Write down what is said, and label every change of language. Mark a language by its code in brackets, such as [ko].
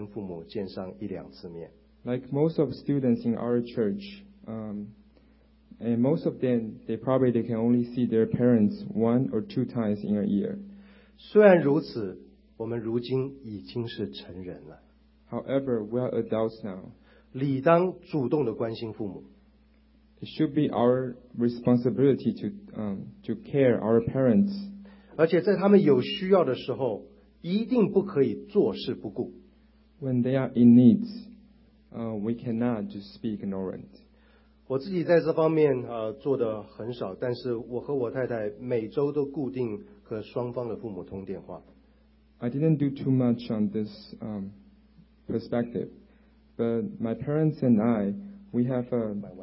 [zh] 像我们教会里面的人，绝大多数可能一年最多只跟父母见上一两次面。 [en] Like most of students in our church, and most of them, they probably can only see their parents one or two times in a year. [zh] 虽然如此，我们如今已经是成人了。 [en] However, we are adults now. [zh] 理当主动的关心父母。 [en] It should be our responsibility to care our parents. [zh] 而且在他们有需要的时候, 一定不可以坐视不顾。 [en] When they are in need, we cannot just be ignorant. [zh] 我自己在这方面, 做得很少, 但是我和我太太每周都固定和双方的父母通电话。 [en] I didn't do too much on this perspective, but my parents and I, we have a...